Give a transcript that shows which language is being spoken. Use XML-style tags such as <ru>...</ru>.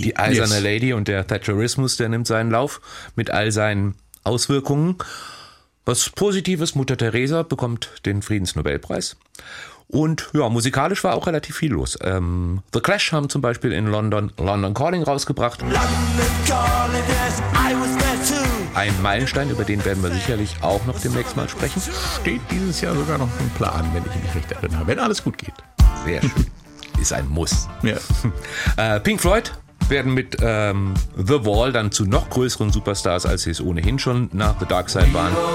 <de>Die eiserne Lady und der Thatcherismus, der nimmt seinen Lauf mit all seinen Auswirkungen. Was Positives, Mutter Teresa bekommt den Friedensnobelpreis. Und ja, musikalisch war auch relativ viel los. The Clash haben zum Beispiel in London London Calling rausgebracht.</de> <en>London Calling, yes, I was there too.</en> <de>Ein Meilenstein, über den werden wir sicherlich auch noch demnächst mal sprechen. Steht dieses Jahr sogar noch ein Plan, wenn ich mich recht erinnere. Wenn alles gut geht. Sehr schön. Ist ein Muss. Ja. Pink Floyd werden mit The Wall dann zu noch größeren Superstars, als sie es ohnehin schon nach The Dark Side waren.</de>